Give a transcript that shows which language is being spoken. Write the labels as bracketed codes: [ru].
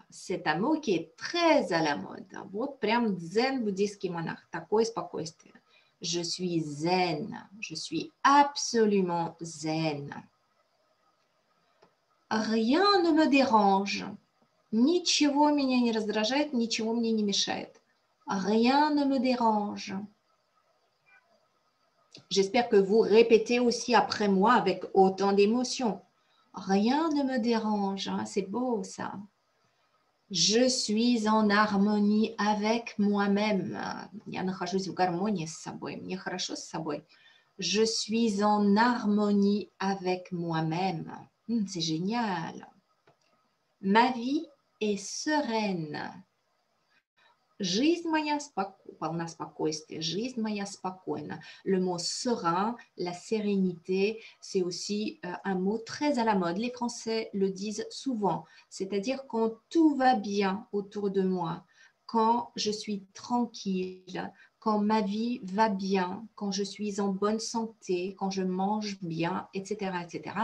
[fr] C'est un mot qui est très à la mode. [ru] Вот прям zen буддийский монах. Такое спокойствие. [fr] Je suis zen. Je suis absolument zen. Rien ne me dérange. [ru] Ничего меня не раздражает, ничего мне не мешает. [fr] Rien ne me dérange. J'espère que vous répétez aussi après moi avec autant d'émotion. Rien ne me dérange. Hein, c'est beau ça. Je suis en harmonie avec moi-même. [ru] Я нахожусь в гармонии с собой. Мне хорошо с собой. [fr] Je suis en harmonie avec moi-même. C'est génial. Ma vie est sereine. [ru] Жизнь моя полна спокойствия. Жизнь моя спокойна. [fr] Le mot serein, la sérénité, c'est aussi un mot très à la mode. Les Français le disent souvent. C'est-à-dire quand tout va bien autour de moi, quand je suis tranquille, quand ma vie va bien, quand je suis en bonne santé, quand je mange bien, etc., etc.